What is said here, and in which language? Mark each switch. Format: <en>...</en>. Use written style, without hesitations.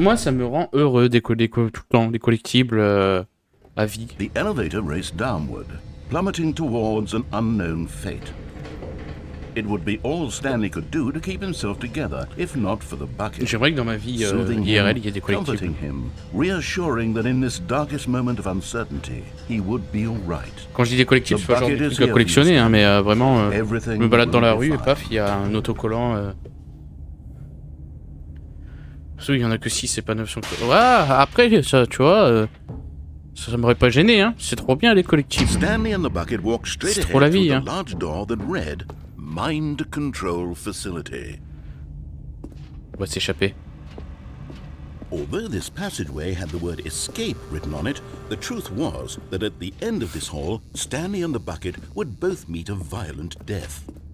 <fr>Moi, ça me rend heureux, tout le temps, des collectibles à vie.</fr> <en>The elevator raced downward, plummeting towards an unknown fate. It would be all Stanley could do to keep himself together, if not for the bucket.</en> <fr>J'aimerais que dans ma vie IRL, il y ait des collectibles.</fr> <en>Comforting him, reassuring that in this darkest moment of uncertainty, he would be all right.</en> <fr>Quand je dis des collectibles, c'est pas genre des trucs à collectionner, hein, mais vraiment, je me balade dans la rue et paf, il y a un autocollant. Parce qu'il y en a que 6, c'est pas 900. Ah, après, ça, tu vois, ça m'aurait pas gêné, hein. C'est trop bien, les collectibles.</fr> <en>Stanley and the bucket walk straight ahead through the large door that read Mind Control Facility.</en> <fr>On va s'échapper.</fr> <en>Although this passageway had the word escape written on it, the truth was that at the end of this hall, Stanley and the bucket would both meet a violent death.</en>